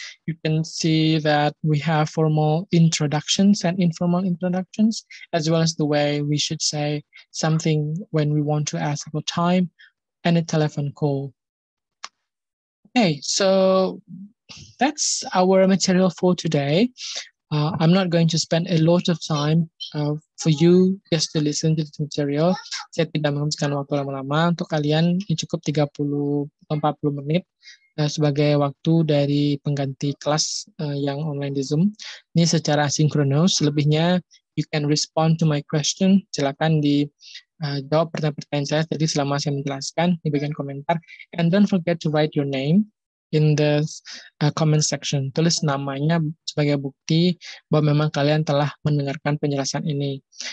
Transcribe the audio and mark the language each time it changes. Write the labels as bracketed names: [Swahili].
[English] You can see that we have formal introductions and informal introductions, as well as the way we should say something when we want to ask about time and a telephone call. Okay, so that's our material for today. I'm not going to spend a lot of time for you just to listen to this material. [Indonesian] Saya tidak menghabiskan waktu lama-lama. Untuk kalian, ini cukup 30-40 menit sebagai waktu dari pengganti kelas yang online di Zoom. Ini secara asinkronus. Selebihnya, [English] you can respond to my question. [Indonesian] Silakan di jawab pertanyaan-pertanyaan saya. Jadi selama saya menjelaskan, di bagian komentar. [English] And don't forget to write your name in the comment section. [Indonesian] Tulis namanya sebagai bukti bahwa memang kalian telah mendengarkan penjelasan ini.